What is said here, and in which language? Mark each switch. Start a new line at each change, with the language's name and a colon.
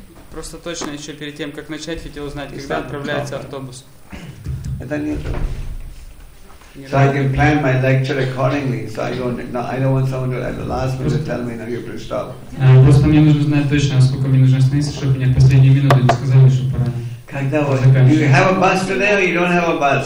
Russian: Просто точно еще перед тем, как начать, хотел узнать, когда отправляется автобус. Это нет.
English: So I can plan my lecture accordingly. So I don't want someone to at the last minute tell me now you have to stop.
Russian: Просто мне нужно знать точно, сколько мне нужно остановиться, чтобы мне в последнюю минуту не сказали, что пора. Когда вы?
English: Do you have a bus today or you don't have a bus?